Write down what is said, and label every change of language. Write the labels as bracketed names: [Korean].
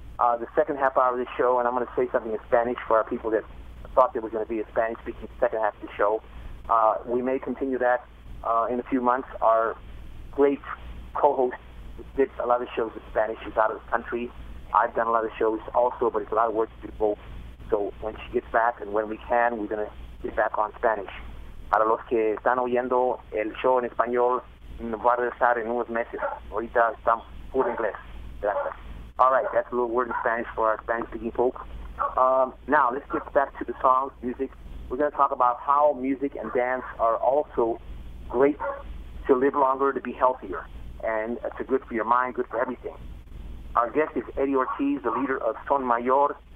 [English] The second half hour of the show, and I'm going to say something in Spanish for our people that thought there was going to be a Spanish-speaking second half of the show. We may continue that in a few months. Our great co-host did a lot of shows in Spanish. She's out of the country. I've done a lot of shows also, but it's a lot of work to do both. So when she gets back and when we can, we're going to get back on Spanish. [Spanish] Para los que están oyendo el show en español, va a regresar en unos meses. Ahorita están puro inglés. Gracias. [English] All right, that's a little word in Spanish for our Spanish-speaking folks. Now, let's get back to the songs, music. We're going to talk about how music and dance are also great to live longer, to be healthier. And it's good for your mind, good for everything. Our guest is Eddie Ortiz, the leader of Son Mayor.